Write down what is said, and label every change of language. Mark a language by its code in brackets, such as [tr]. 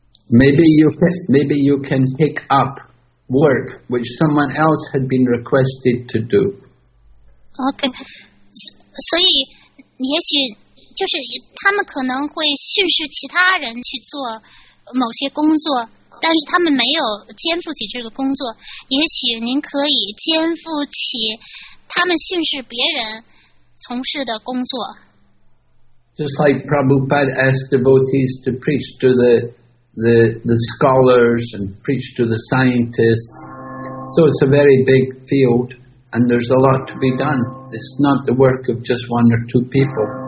[en] Maybe you can take up work which someone else had been requested to do. [zh] Okay, 所以也许就是他们可能会训示其他人去做。某些工作，但是他们没有肩负起这个工作。也许您可以肩负起他们训示别人从事的工作。 [en] Just like Prabhupada asked devotees to preach to the scholars and preach to the scientists, So it's a very big field, and there's a lot to be done. It's not the work of just one or two people.